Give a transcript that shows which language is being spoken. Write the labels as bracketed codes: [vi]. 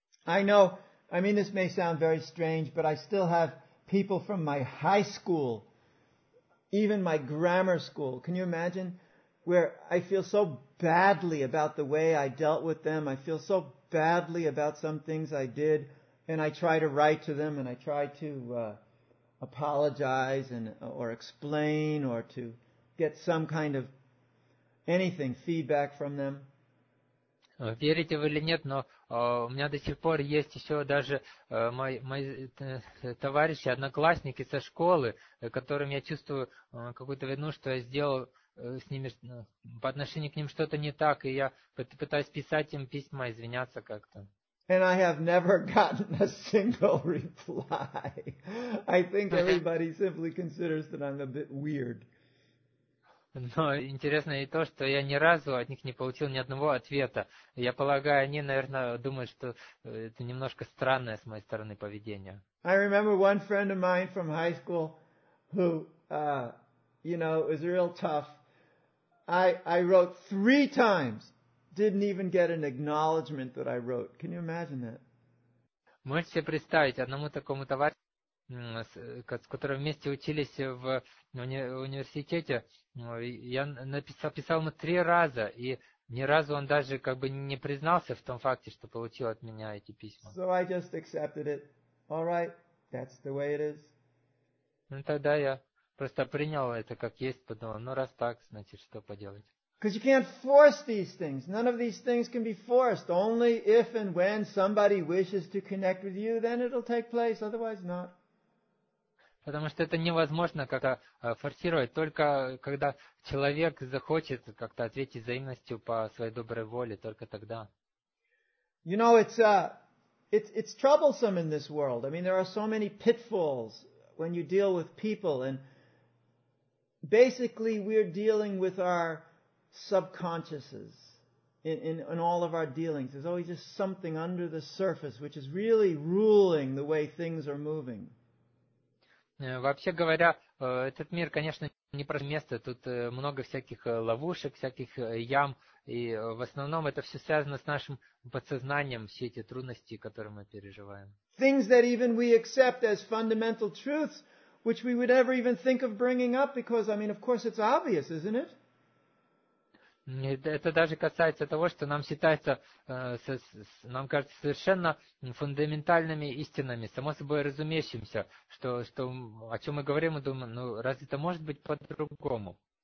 [en] I know, I mean, this may sound very strange, but I still have people from my high school, even my grammar school. Can you imagine? Where I feel so badly about the way I dealt with them, I feel so badly about some things I did, and I try to write to them, and I try to apologize, and or explain, or to get some kind of anything, feedback from them. [ru] Верите вы или нет, но у меня до сих пор есть еще даже мои товарищи, одноклассники со школы, которым я чувствую какую-то вину, что я сделал с ними, по отношению к ним что-то не так, и я пытаюсь писать им письма, извиняться как-то. [en] And I have never gotten a single reply. I think everybody simply considers that I'm a bit weird. [ru] Но интересно и то, что я ни разу от них не получил ни одного ответа. Я полагаю, они, наверное, думают, что это немножко странное с моей стороны поведение. [en] I remember one friend of mine from high school who, you know, was real tough. I wrote 3 times, didn't even get an acknowledgement that I wrote. Can you imagine that? [ru] Можете себе представить, одному такому товарищу, с которым вместе учились в университете, я писал ему 3 раза, и ни разу он даже как бы не признался в том факте, что получил от меня эти письма. [en] So I just accepted it. All right, that's the way it is. [ru] Ну тогда я просто принял это как есть, подумал, ну раз так, значит, что поделать. [en] Because you can't force these things. None of these things can be forced. Only if and when somebody wishes to connect with you, then it'll take place, otherwise not. [ru] Потому что это невозможно как-то форсировать, только когда человек захочет как-то ответить взаимностью по своей доброй воле, только тогда. [en] You know, it's troublesome in this world. I mean, there are so many pitfalls when you deal with people, and basically, we're dealing with our subconsciouses in all of our dealings. There's always just something under the surface which is really ruling the way things are moving. [ru] Вообще говоря, этот мир, конечно, не про место. Тут много всяких ловушек, всяких ям. И в основном это все связано с нашим подсознанием, все эти трудности, которые мы переживаем. [en] Things that even we accept as fundamental truths, which we would never even think of bringing up, because, I mean, of course, it's obvious, isn't it? [ru] Это даже касается того, что нам считается, нам кажется совершенно фундаментальными истинами, само собой разумеющимся, что о чем мы говорим, мы думаем, ну разве это может быть по-другому?